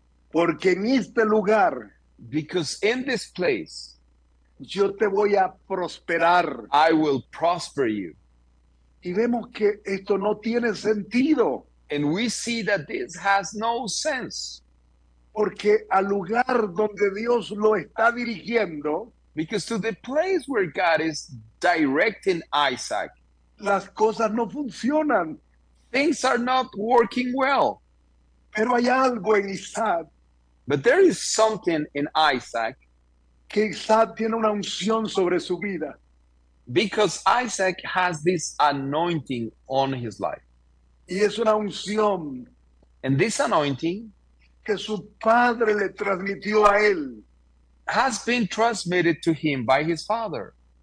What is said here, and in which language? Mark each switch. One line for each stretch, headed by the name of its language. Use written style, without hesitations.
Spanish: Porque en este lugar.
English: Because in this place.
Spanish: Yo te voy a prosperar.
English: I will prosper you.
Spanish: Y vemos que esto no tiene sentido.
English: And we see that this has no sense.
Spanish: Porque al lugar donde Dios lo está dirigiendo.
English: Because to the place where God is directing Isaac.
Spanish: Las cosas no funcionan.
English: Things are not working well.
Spanish: Pero hay algo en Isaac.
English: But there is something in Isaac.
Spanish: Que Isaac tiene una unción sobre su vida.
English: Because Isaac has this anointing on his life.
Spanish: Y es una unción.
English: And this anointing.
Spanish: Que su padre le transmitió a él.
English: Has been transmitted to him by his father.